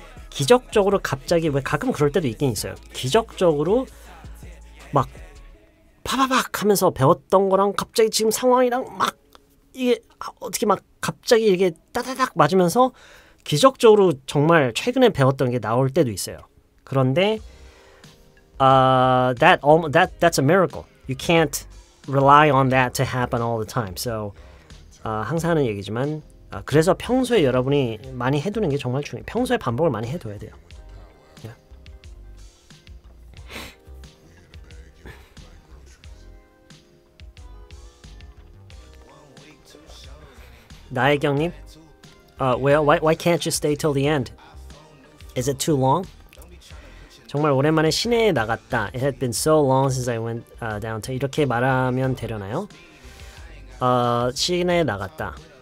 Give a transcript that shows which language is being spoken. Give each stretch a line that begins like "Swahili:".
Korean: 기적적으로 갑자기 왜 가끔 그럴 때도 있긴 있어요. 기적적으로 막 파바박 하면서 배웠던 거랑 갑자기 지금 상황이랑 막 이게 어떻게 막 갑자기 이게 따다닥 맞으면서 기적적으로 정말 최근에 배웠던 게 나올 때도 있어요.
English: 그런데 that's a miracle. You can't rely on that to happen all the time.
Korean: So 항상 하는 얘기지만 그래서 평소에 여러분이 많이 해두는 게 정말 중요해요. 평소에 반복을 많이 해둬야 돼요.
English: Yeah. 나혜경님 well, why can't you stay till the end? Is it too long?
Korean: 정말 오랜만에 시내에 나갔다.
English: It had been so long since I went downtown.
Korean: 이렇게 말하면 되려나요? 시내에 나갔다.